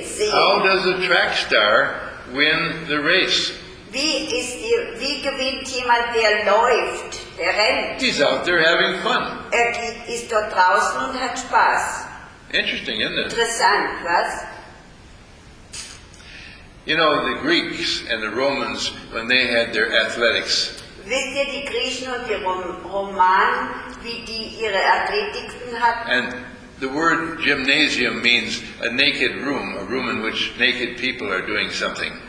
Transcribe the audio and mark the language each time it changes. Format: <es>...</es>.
<en>How does a track star win the race?</en> <de>Wie gewinnt jemand, der läuft, der rennt?</de> <en>He's out there having fun.</en> <de>Er ist dort draußen und hat Spaß.</de> <en>Interesting, isn't it?</en> <de>Interessant, was?</de> <en>You know, the Greeks and the Romans, when they had their athletics.</en> <de>Wisst ihr, die Griechen und die Romanen, wie die ihre Athletiken hatten?</de> <en>And the word gymnasium means a naked room, a room in which naked people are doing something.</en>